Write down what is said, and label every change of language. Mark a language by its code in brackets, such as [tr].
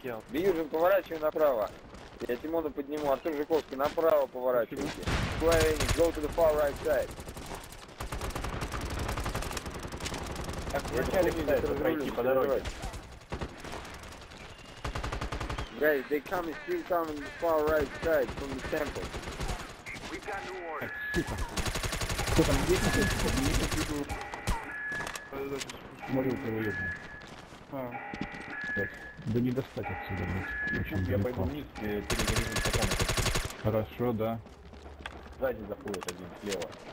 [ru] Бьюжин, поворачивай направо. Я Тимона подниму, Артур Жуковский, направо поворачивайте. [en] Плавень, go to the far right side. [ru] Так, вначале мне надо пройти по дороге. [en] Guys, they come and still come on the far right side from the temple. We got new orders. [ru] Кто там, где-то, где-то, где-то, где-то, где-то, да не достать отсюда, блядь. Очень я пойду вниз, перегрызем потом. Хорошо, да. Сзади заходит один, слева.